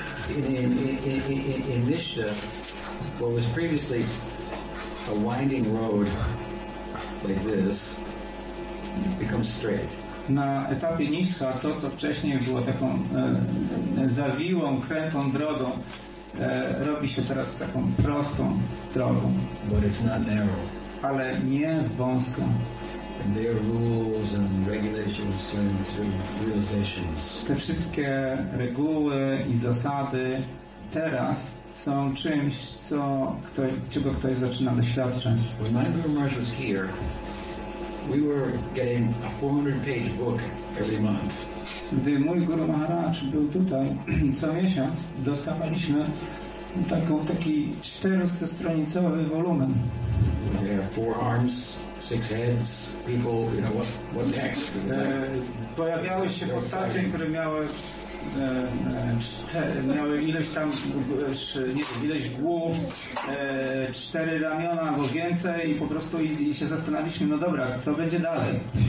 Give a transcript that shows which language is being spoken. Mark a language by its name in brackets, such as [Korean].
[English] In Nishta, what was previously a winding road like this, becomes straight. [Polish] Na etapie Nishta to, co wcześniej było taką zawiłą, krętą drogą, robi się teraz taką prostą drogą. [English] But it's not narrow. [Polish] Ale nie wąską. [English] And their rules and regulations turn into realizations. [Polish] Te wszystkie reguły i zasady teraz są czymś, czego ktoś zaczyna doświadczać. [English] When my Guru Maharaj was here, we were getting a 400-page book every month. [Polish] Gdy mój Guru Maharaj był tutaj, co miesiąc dostawaliśmy taki 400-stronicowy wolumen. [English] They have four arms, six heads, people, you know, what next? [Polish] Pojawiały się postacie, które miały ileś tam, nie wiem, ileś głów, cztery ramiona albo więcej i po prostu i się zastanawialiśmy, no dobra, co będzie dalej?